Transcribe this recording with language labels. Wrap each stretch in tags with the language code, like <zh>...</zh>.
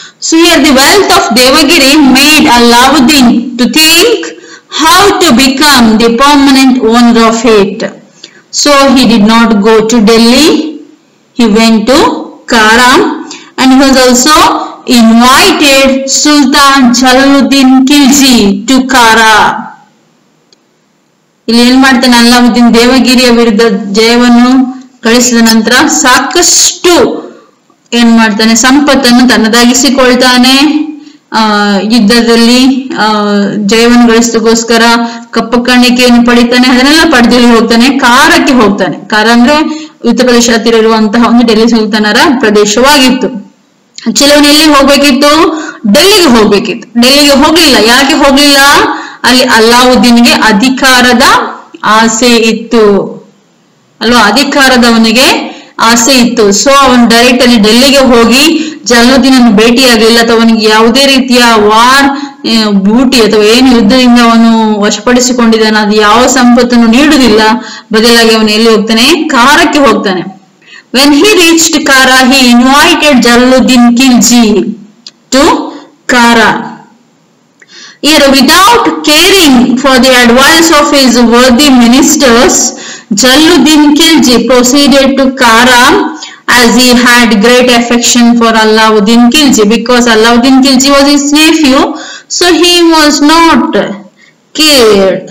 <en>So here the wealth of Devagiri made Alauddin to think how to become the permanent owner of it. So he did not go to Delhi. He went to Karam and he was also invited Sultan Jalaluddin Khilji to Kara.</en> <kn>ಇಲ್ಲಿ ಏನ್ ಮಾಡ್ತಾನೆ ಅಲ್ಲಾವುದ್ದೀನ್ ದೇವಗಿರಿಯ ವಿರುದ್ಧ ಜಯವನ್ನು ಕಳಿಸಿದ ನಂತರ ಸಾಕಷ್ಟು ಏನ್ ಮಾಡ್ತಾನೆ ಸಂಪತ್ತನ್ನು ತನ್ನದಾಗಿಸಿಕೊಳ್ತಾನೆ. ಯುದ್ಧದಲ್ಲಿ ಜಯವನ್ನು ಗಳಿಸೋದಕ್ಕೋಸ್ಕರ ಕಪ್ಪ ಕಾಣಿಕೆಯನ್ನು ಪಡಿತಾನೆ, ಅದನ್ನೆಲ್ಲ ಪಡೆದಲ್ಲಿ ಹೋಗ್ತಾನೆ, ಕಾರಕ್ಕೆ ಹೋಗ್ತಾನೆ. ಕಾರ ಅಂದ್ರೆ ಉತ್ತರ ಪ್ರದೇಶ ಹತ್ತಿರ ಇರುವಂತಹ ಒಂದು ಡೆಲ್ಲಿ ಸುಲ್ತಾನರ ಪ್ರದೇಶವಾಗಿತ್ತು. ಚಿಲವನ್ ಎಲ್ಲಿ ಹೋಗ್ಬೇಕಿತ್ತು? ಡೆಲ್ಲಿಗೆ ಹೋಗ್ಬೇಕಿತ್ತು. ಡೆಲ್ಲಿಗೆ ಹೋಗ್ಲಿಲ್ಲ. ಯಾಕೆ ಹೋಗ್ಲಿಲ್ಲ? ಅಲ್ಲಿ ಅಲ್ಲಾವುದ್ದೀನ್ಗೆ ಅಧಿಕಾರದ ಆಸೆ ಇತ್ತು ಅಲ್ವಾ, ಅಧಿಕಾರದವನಿಗೆ ಆಸೆ ಇತ್ತು. ಸೊ ಅವನು ಡೈರೆಕ್ಟ್ ಅಲ್ಲಿ ಡೆಲ್ಲಿಗೆ ಹೋಗಿ ಜಲಾಲುದ್ದೀನ್ ಅನ್ನು ಭೇಟಿಯಾಗಲಿಲ್ಲ. ಅಥವಾ ಅವನಿಗೆ ಯಾವುದೇ ರೀತಿಯ ವಾರ್ ಬ್ಯೂಟಿ ಅಥವಾ ಏನು ಯುದ್ಧದಿಂದ ಅವನು ವಶಪಡಿಸಿಕೊಂಡಿದ್ದಾನೆ ಅದು ಯಾವ ಸಂಪತ್ತನ್ನು ನೀಡುವುದಿಲ್ಲ. ಬದಲಾಗಿ ಅವನು ಎಲ್ಲಿ ಹೋಗ್ತಾನೆ? ಕಾರಕ್ಕೆ ಹೋಗ್ತಾನೆ.</kn> <en>When he reached Kara he invited Jalaluddin Khilji to Kara. Here, without caring for the advice of his worthy ministers, Jalaluddin Khilji proceeded to Kara as he had great affection for Alauddin Khilji, because Alauddin Khilji was his nephew, so he was not cared.</en>